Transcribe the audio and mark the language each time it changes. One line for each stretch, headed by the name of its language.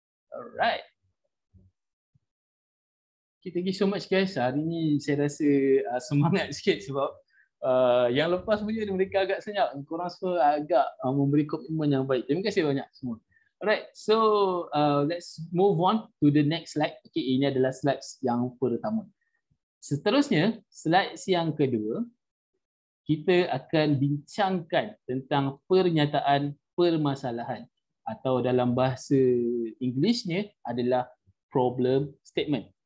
English: Alright.
Malay: Okay,
English: thank you so much guys.
Malay: Hari ni saya rasa semangat sikit sebab yang lepas punya mereka agak senyap. Korang semua agak memberi komitmen yang baik. Terima kasih banyak semua.
English: Alright, so let's move on to the next slide.
Malay: Okay, ini adalah slides yang pertama. Seterusnya, slides yang kedua, kita akan bincangkan tentang pernyataan permasalahan atau dalam bahasa Inggerisnya adalah problem statement.